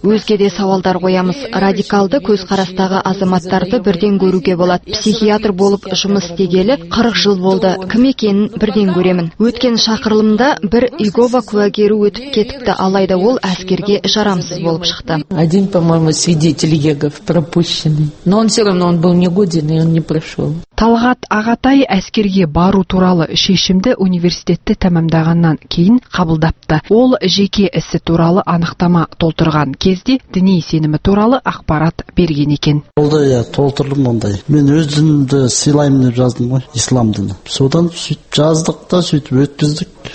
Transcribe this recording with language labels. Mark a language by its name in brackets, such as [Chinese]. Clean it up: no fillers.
[Kazakh] Өзге де сауалдар қоямыз. Радикалды көзқарастағы азаматтарды бірден көруге болады. Психиатр болып жұмыс істегелі 40 жыл болды. Кім екенін бірден көремін. Өткен шақырылымда бір Иегова куәгері өтіп кетіпті, алайда ол әскерге жарамсыз болып шықты. [Russian] Один, по-моему, свидетель Иегов пропущенный. Но он все равно, он был негоден, и он не прошел. [Kazakh] Талғат Ағатай әскерге бару туралы шешімді университетті тәмамдағаннан кейін қабылдапты. Ол жеке ісі туралы анықтама толтырған кезде діни сенімі туралы ақпарат берген екен. Олды я толтырдым ондай. Мен өзімді сыйлаймын деп жаздым ғой, ислам дінін. Содан сөйтіп жаздық та, сөйтіп өткіздік.